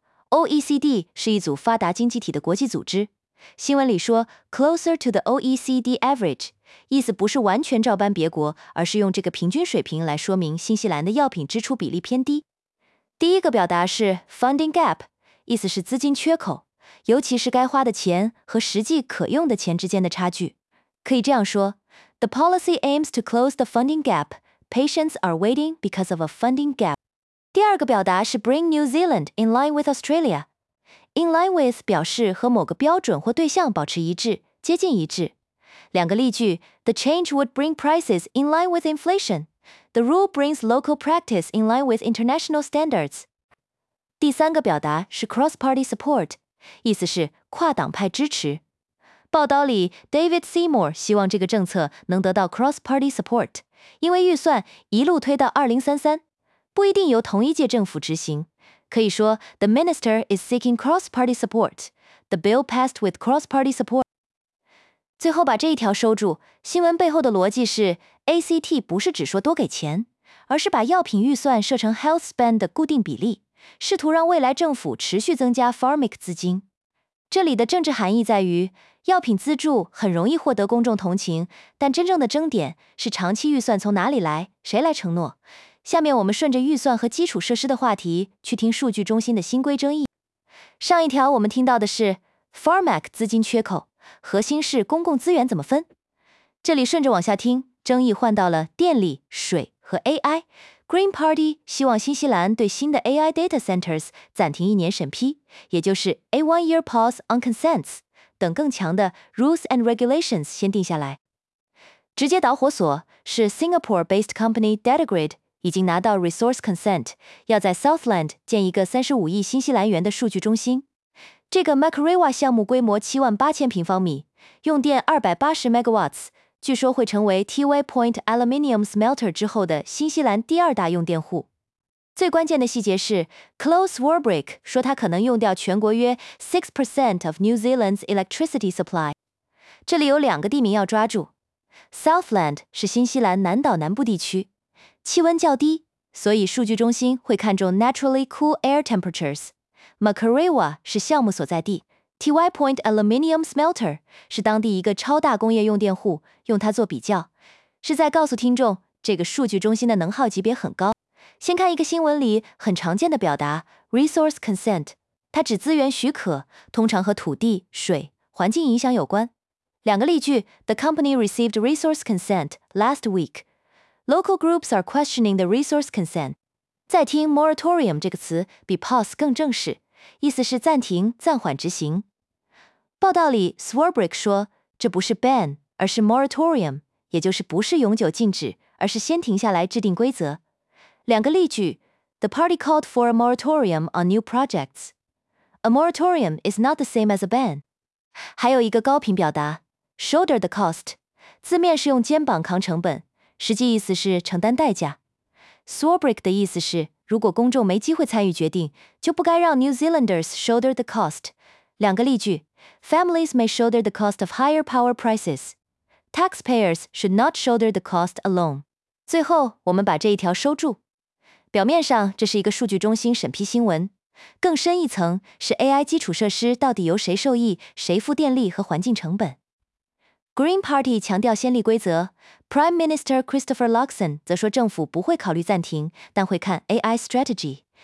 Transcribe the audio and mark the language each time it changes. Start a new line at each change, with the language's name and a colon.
Chinese: OECD 是一组发达经济体的国际组织，新闻里说
English: closer to the OECD Average，
Chinese: 意思不是完全照搬别国，而是用这个平均水平来说明新西兰的药品支出比例偏低。第一个表达是 funding gap， 意思是资金缺口，尤其是该花的钱和实际可用的钱之间的差距。可以这样说，
English: The policy aims to close the funding gap. Patients are waiting because of a funding gap.
Chinese: 第二个表达是
English: bring New Zealand in line with Australia.
Chinese: In line with 表示和某个标准或对象保持一致，接近一致。两个例句，
English: The change would bring prices in line with inflation. The rule brings local practice in line with international standards.
Chinese: 第三个表达是 cross-party support，意思是跨党派支持。报道里 David Seymour 希望这个政策能得到 cross-party support， 因为预算一路推到2033，不一定由同一届政府执行。可以说
English: The minister is seeking cross-party support. The bill passed with cross-party support.
Chinese: 最后把这一条收住，新闻背后的逻辑是 ACT 不是只说多给钱，而是把药品预算设成 health spend 的固定比例，试图让未来政府持续增加 Pharmac 资金。这里的政治含义在于，药品资助很容易获得公众同情，但真正的争点是长期预算从哪里来，谁来承诺。下面我们顺着预算和基础设施的话题去听数据中心的新规争议。上一条我们听到的是 Pharmac 资金缺口，核心是公共资源怎么分。这里顺着往下听，争议换到了电力、水和 AI。 Green Party 希望新西兰对新的 AI data centers 暂停一年审批，也就是
English: a one-year pause on consents
Chinese: 等更强的
English: rules and regulations
Chinese: 先定下来。直接导火索是 Singapore-based company DataGrid 已经拿到 resource consent， 要在 Southland 建一个35亿新西兰元的数据中心。这个 Makarewa 项目规模78000平方米，用电280 megawatts。据说会成为 Tiwai Point Aluminium Smelter 之后的新西兰第二大用电户。最关键的细节是 ，Close Warbrick 说它可能用掉全国约
English: 6% of New Zealand's electricity supply。
Chinese: 这里有两个地名要抓住 ：Southland 是新西兰南岛南部地区，气温较低，所以数据中心会看重
English: naturally cool air temperatures。
Chinese: Makarewa 是项目所在地。Tiwai Point Aluminium Smelter 是当地一个超大工业用电户，用它做比较，是在告诉听众，这个数据中心的能耗级别很高。先看一个新闻里很常见的表达 Resource Consent， 它指资源许可，通常和土地、水、环境影响有关。两个例句
English: ,The company received resource consent last week. Local groups are questioning the resource consent.
Chinese: 再听 Moratorium 这个词比 Pause 更正式，意思是暂停、暂缓执行。报道里 Swarbrick 说，这不是 ban， 而是 moratorium， 也就是不是永久禁止，而是先停下来制定规则。两个例句
English: ,The party called for a moratorium on new projects. A moratorium is not the same as a ban.
Chinese: 还有一个高频表达 ,shoulder the cost， 字面是用肩膀扛成本，实际意思是承担代价。 Swarbrick 的意思是，如果公众没机会参与决定，就不该让
English: New Zealanders shoulder the cost。
Chinese: 两个例句
English: ,Families may shoulder the cost of higher power prices. Taxpayers should not shoulder the cost alone.
Chinese: 最后，我们把这一条收住。表面上，这是一个数据中心审批新闻。更深一层，是 AI 基础设施到底由谁受益，谁付电力和环境成本。 Green Party 强调先例规则， Prime Minister Christopher Luxon 则说政府不会考虑暂停，但会看 AI strategy。